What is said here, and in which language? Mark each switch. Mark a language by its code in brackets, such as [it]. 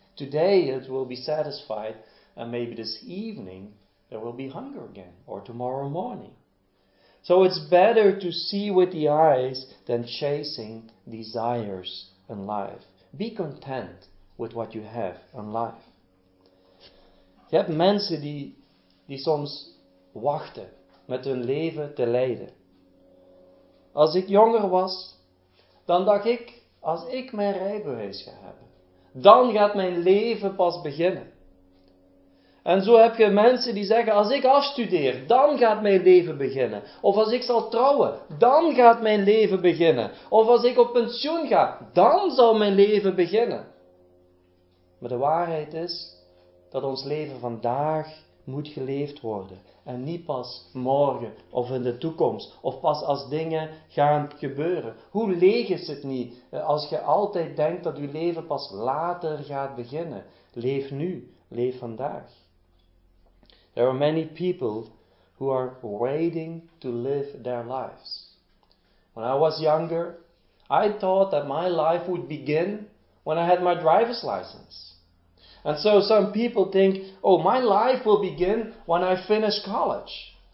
[en] Today it will be satisfied and maybe this evening there will be hunger again or tomorrow morning. So it's better to see with the eyes than chasing desires in life. Be content with what you have in life. [nl] Je hebt mensen die soms wachten met hun leven te lijden. Als ik jonger was, dan dacht ik, als ik mijn rijbewijs ga hebben, dan gaat mijn leven pas beginnen. En zo heb je mensen die zeggen, als ik afstudeer, dan gaat mijn leven beginnen. Of als ik zal trouwen, dan gaat mijn leven beginnen. Of als ik op pensioen ga, dan zal mijn leven beginnen. Maar de waarheid is, dat ons leven vandaag moet geleefd worden. En niet pas morgen of in de toekomst. Of pas als dingen gaan gebeuren. Hoe leeg is het niet als je altijd denkt dat je leven pas later gaat beginnen. Leef nu. Leef vandaag. [en] There are many people who are waiting to live their lives. When I was younger, I thought that my life would begin when I had my driver's license. And so some people think, oh, my life will begin when I finish college.